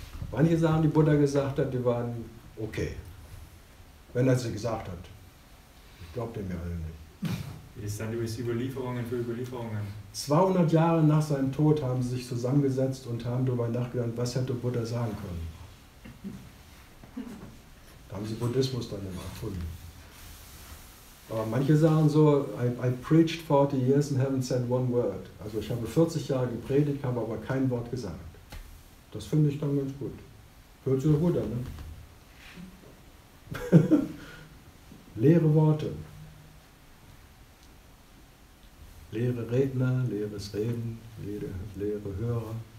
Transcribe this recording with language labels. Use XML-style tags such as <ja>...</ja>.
<de>Manche Sachen, die Buddha gesagt hat, die waren okay. Wenn er sie gesagt hat. Ich glaube dem ja alle nicht. Das sind übrigens Überlieferungen für Überlieferungen. 200 Jahre nach seinem Tod haben sie sich zusammengesetzt und haben darüber nachgedacht, was hätte Buddha sagen können. Da haben sie Buddhismus dann immer erfunden. Aber manche sagen so,</de> <en>I preached 40 years and haven't said one word.</en> <de>Also ich habe 40 Jahre gepredigt, habe aber kein Wort gesagt. Das finde ich dann ganz gut. Hört sich doch gut an, ne? Leere Worte. Leere Redner, leeres Reden, leere Hörer.</de>